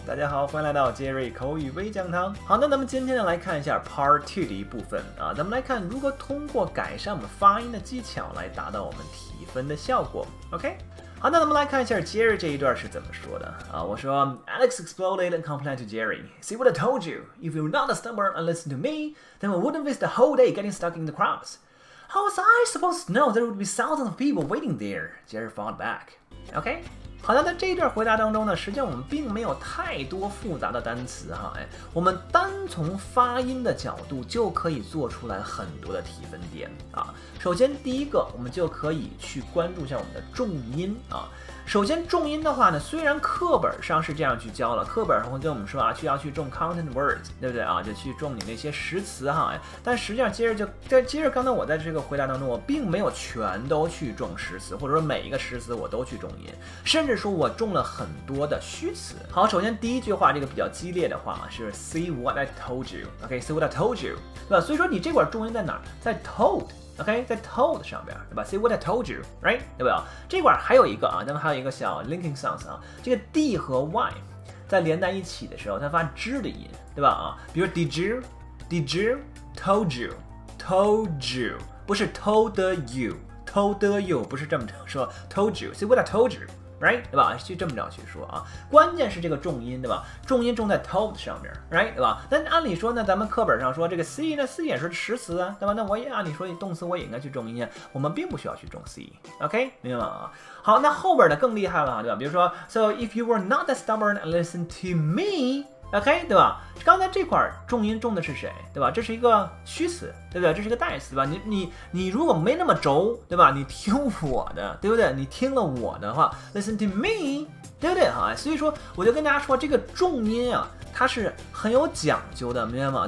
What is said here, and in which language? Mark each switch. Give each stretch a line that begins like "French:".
Chinese: 大家好，欢迎来到 Jerry 口语微讲堂。好，那咱们今天呢来看一下 Part 2的一部分啊，咱们来看如何通过改善我们发音的技巧来达到我们提分的效果。 OK， 好，那咱们来看一下 Jerry 这一段是怎么说的啊。我说
English: Alex exploded and complained to Jerry. See what I told you? If you're not a stubborn and listen to me, then we wouldn't waste the whole day getting stuck in the crowds. How was I supposed to know there would be thousands of people waiting there? Jerry fought back. OK?
Chinese: 好像在这一段回答当中呢，实际上我们并没有太多复杂的单词哈，我们单从发音的角度就可以做出来很多的提分点啊。首先第一个，我们就可以去关注一下我们的重音啊。首先重音的话呢，虽然课本上是这样去教了，课本上会跟我们说啊，需要去重
English: content words，
Chinese: 对不对啊？就去重你那些实词哈。但实际上接着刚才我在这个回答当中，我并没有全都去重实词，或者说每一个实词我都去重音，甚至说我重了很多的虚词。好，首先第一句话这个比较激烈的话是
English: see what I told you，
Chinese: OK， see what I told you， 对吧？所以说你这块重音在哪？在 told。OK， 在 told 上边，对吧？
English: See what I told you，
Chinese: right， 对不对？ 这块还有一个啊，咱们还有一个小
English: linking sounds
Chinese: 啊，这个 d 和 y 在连在一起的时候，它发 z 的音，对吧？啊，比如
English: did you told you， told you，
Chinese: 不是 told you， told you 不是这么说， told you， see what I told you， right， 对吧？去这么着去说啊，关键是这个重音，对吧？重音重在 told 上边， right， 对吧？那按理说呢，咱们课本上说这个 c 呢， c 也是实词啊，对吧？那我也按理说动词我也应该去重音啊，我们并不需要去重 c， OK， 明白吗？好，那后边的更厉害了，对吧？比如说
English: so if you were not that stubborn and listen to me， OK，
Chinese: 对吧？刚才这块重音重的是谁，对吧？这是一个虚词，对不对？这是一个代词，对吧？你如果没那么轴，对吧？你听我的，对不对？你听了我的话 ，
English: listen to me，
Chinese: 对不对哈？所以说，我就跟大家说，这个重音啊，它是很有讲究的，明白吗？